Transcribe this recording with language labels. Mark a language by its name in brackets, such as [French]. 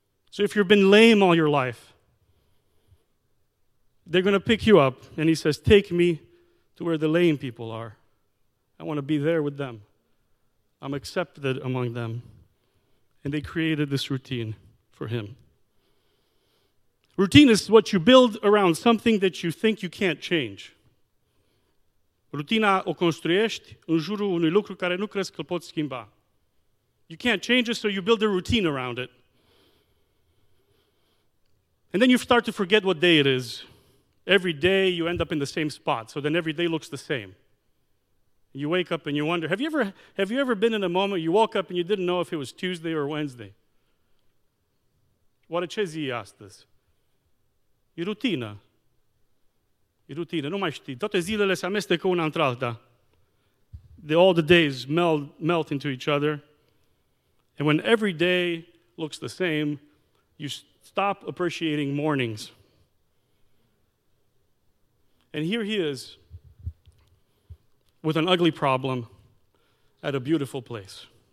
[English] So if you've been lame all your life, they're going to pick you up, and he says, take me to where the lame people are. I want to be there with them. I'm accepted among them. And they created this routine for him. Routine is what you build around something that you think you can't change. [Romanian] Rutina o construiești în jurul unui lucru care nu crezi că îl poți schimba. [English] You can't change it, so you build a routine around it. And then you start to forget what day it is. Every day you end up in the same spot, so then every day looks the same. You wake up and you wonder, have you ever been in a moment you woke up and you didn't know if it was Tuesday or Wednesday? [Romanian] Oare ce zi e astăzi? E rutină. E rutină, nu mai știi. Toate zilele se amestecă una între alta. [English] All the days melt into each other. And when every day looks the same, you stop appreciating mornings. And here he is with an ugly problem at a beautiful place.